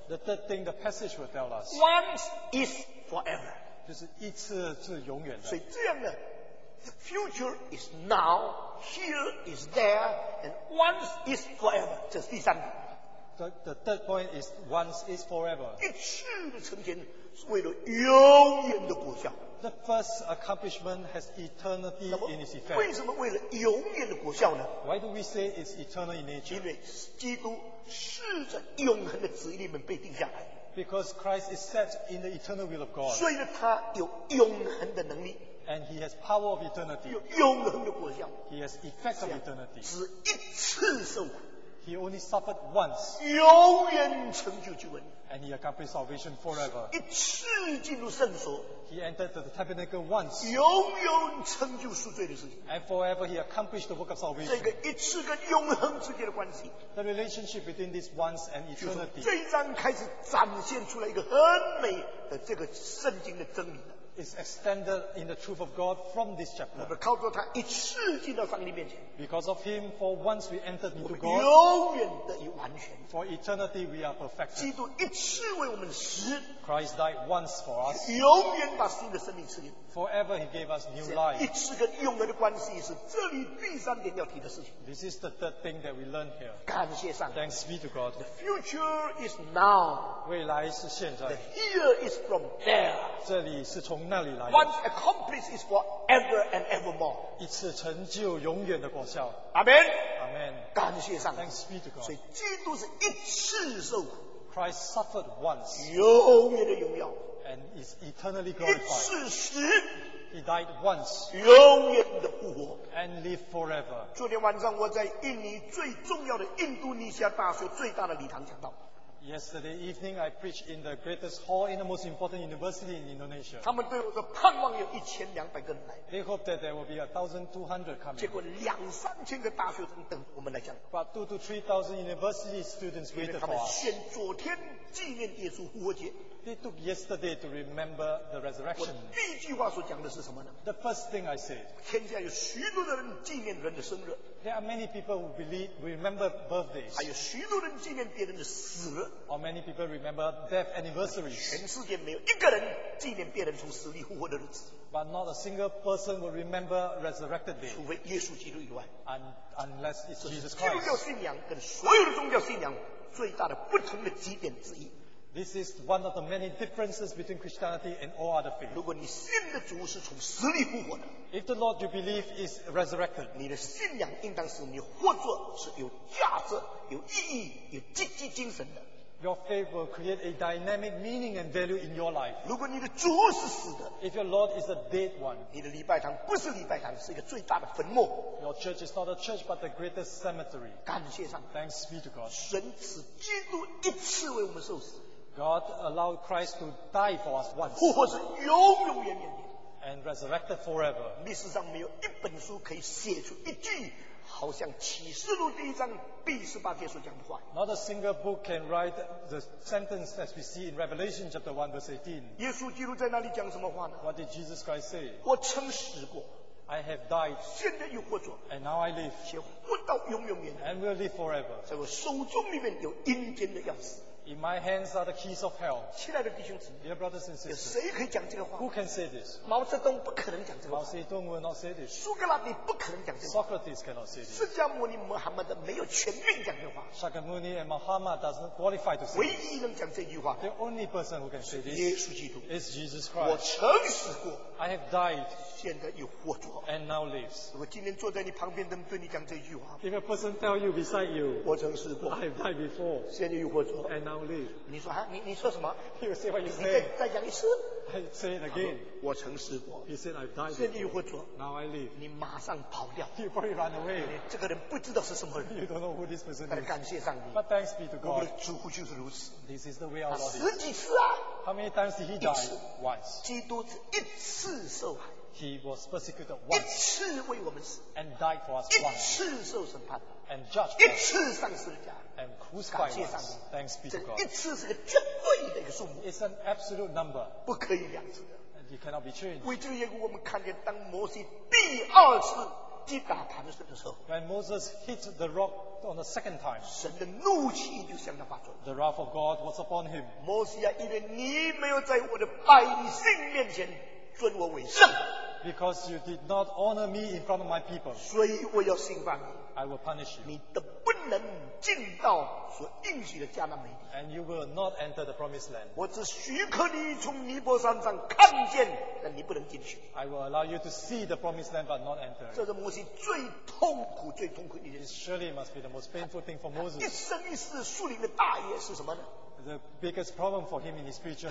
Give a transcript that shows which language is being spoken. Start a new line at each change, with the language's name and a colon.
English: The third thing the passage will tell us. Once is forever.
Chinese: 就是一次是永远的。所以这样的
English: the future is now, here is there, and once is forever.
Chinese: 这是第三点。
English: The third point is once is forever.
Chinese: 一次的成全是为了永远的果效。
English: The first accomplishment has eternity in its effect.
Chinese: 为什么为了永远的果效呢
English: ？Why do we say it's eternal in nature？
Chinese: 因为基督是在永恒的旨意里面被定下来。
English: Because Christ is set in the eternal will of God.
Chinese: 所以他有永恒的能力。
English: And he has power of eternity.
Chinese: 有永恒的果效。
English: He has effect of eternity.
Chinese: 只一次受苦。
English: He only suffered once.
Chinese: 永远成就救恩。
English: And he accomplished salvation forever.
Chinese: 一次进入圣所。
English: He entered the tabernacle once.
Chinese: 永远成就赎罪的事情。
English: And forever he accomplished the work of salvation.
Chinese: 这个一次跟永恒之间的关系。
English: The relationship between this once and eternity.
Chinese: 这一章开始展现出来一个很美的这个圣经的真理。
English: Is extended in the truth of God from this chapter.
Chinese: 我们靠着他一次进到上帝面前。
English: Because of him, for once we entered into God.
Chinese: 我们永远得以完全。
English: For eternity we are perfected.
Chinese: 基督一次为我们死。
English: Christ died once for us.
Chinese: 永远把新的生命赐给。
English: Forever he gave us new life.
Chinese: 一次跟永恒的关系是这里第三点要提的事情。
English: This is the third thing that we learn here.
Chinese: 感谢上帝。
English: Thanks be to God. The future is now.
Chinese: 未来是现在。
English: The here is from there.
Chinese: 这里是从那里来。
English: Once accomplished is forever and evermore.
Chinese: 一次成就永远的果效。
English: Amen. Amen.
Chinese: 感谢上帝。
English: Thanks be to God.
Chinese: 所以基督是一次受苦。
English: Christ suffered once.
Chinese: 永远的荣耀。
English: And is eternally glorified. He died once.
Chinese: 永远的复活。
English: And live forever.
Chinese: 昨天晚上我在印尼最重要的印度尼西亚大学最大的礼堂讲道。
English: Yesterday evening, I preached in the greatest hall in the most important university in Indonesia.
Chinese: 他们对我说，盼望有1200个人来。
English: They hope that there will be 1,200 coming.
Chinese: 结果两三千个大学生等我们来讲。
English: But 2,000 to 3,000 university students waited for us.
Chinese: 因为他们先昨天纪念耶稣复活节。
English: They took yesterday to remember the resurrection.
Chinese: 我第一句话所讲的是什么呢？
English: The first thing I said.
Chinese: 天下有许多的人纪念人的生日。
English: There are many people who believe, remember birthdays.
Chinese: 还有许多人纪念别人的死。
English: Or many people remember death anniversaries.
Chinese: 全世界没有一个人纪念别人从死里复活的日子。
English: But not a single person will remember resurrected day.
Chinese: 除非耶稣基督以外。
English: Unless it's Jesus Christ.
Chinese: 基督教信仰跟所有的宗教信仰最大的不同的几点之一。
English: This is one of the many differences between Christianity and all other faiths.
Chinese: 如果你信的主是从死里复活的，
English: If the Lord you believe is resurrected,
Chinese: 你的信仰应当是你活着是有价值、有意义、有积极精神的。
English: Your faith will create a dynamic meaning and value in your life.
Chinese: 如果你的主是死的，
English: If your Lord is a dead one,
Chinese: 你的礼拜堂不是礼拜堂，是一个最大的坟墓。
English: Your church is not a church, but the greatest cemetery.
Chinese: 感谢上帝。
English: Thanks be to God.
Chinese: 神赐基督一次为我们受死。
English: God allowed Christ to die for us once.
Chinese: 复活是永永远远的。
English: And resurrected forever.
Chinese: 历史上没有一本书可以写出一句好像启示录第一章第十八节所讲的话。
English: Not a single book can write the sentence as we see in Revelation chapter 1 verse 18.
Chinese: 耶稣基督在那里讲什么话呢？
English: What did Jesus Christ say?
Chinese: 我曾死过。
English: I have died.
Chinese: 现在又活着。
English: And now I live.
Chinese: 且活到永永远远。
English: And will live forever.
Chinese: 在我手中里面有阴间的钥匙。
English: In my hands are the keys of hell.
Chinese: 亲爱的弟兄姊妹，
English: Dear brothers and sisters,
Chinese: 有谁可以讲这个话？
English: Who can say this?
Chinese: 毛泽东不可能讲这个话。
English: 毛泽东 will not say this.
Chinese: 苏格拉底不可能讲这个话。
English: Socrates cannot say this.
Chinese: 释迦牟尼穆罕默德没有权柄讲这个话。
English: Shakyamuni and Muhammad doesn't qualify to say this.
Chinese: 唯一能讲这句话。
English: The only person who can say this.
Chinese: 耶稣基督。
English: Is Jesus Christ.
Chinese: 我曾死过。
English: I have died.
Chinese: 现在又活着。
English: And now lives.
Chinese: 我今天坐在你旁边，能对你讲这句话。
English: If a person tell you beside you.
Chinese: 我曾死过。
English: I have died before.
Chinese: 现在又活着。
English: And now
Chinese: 你说啊，你说什么？
English: You say what you say.
Chinese: 你再讲一次。
English: I say it again.
Chinese: 我曾死过。
English: He said I've died.
Chinese: 现在又活着。
English: Now I live.
Chinese: 你马上跑掉。
English: You probably run away.
Chinese: 这个人不知道是什么人。
English: You don't know who this person is.
Chinese: 但感谢上帝。
English: But thanks be to God.
Chinese: 我们的主就是如此。
English: This is the way our Lord is.
Chinese: 十几次啊。
English: How many times did he die? Once.
Chinese: 基督是一次受害。
English: He was persecuted once.
Chinese: 一次为我们死。
English: And died for us once.
Chinese: 一次受审判。
English: And judged.
Chinese: 一次上十字架。
English: And crucified us. Thanks be to God.
Chinese: 一次是个绝对的一个数目。
English: It's an absolute number.
Chinese: 不可以两次的。
English: And it cannot be changed.
Chinese: 为这个缘故，我们看见当摩西第二次击打磐石的时候，
English: When Moses hit the rock on the second time,
Chinese: 神的怒气就向他发作。
English: The wrath of God was upon him.
Chinese: 摩西啊，因为你没有在我的百姓面前尊我为圣。
English: Because you did not honor me in front of my people.
Chinese: 所以我要刑罚你。
English: I will punish you.
Chinese: 你的不能进到所应许的迦南美地。
English: And you will not enter the promised land.
Chinese: 我只许可你从尼泊山上看见，但你不能进去。
English: I will allow you to see the promised land but not enter.
Chinese: 这是摩西最痛苦、最痛苦的一件事。
English: Surely must be the most painful thing for Moses.
Chinese: 一生一世树林的大业是什么呢？
English: The biggest problem for him in his spiritual life.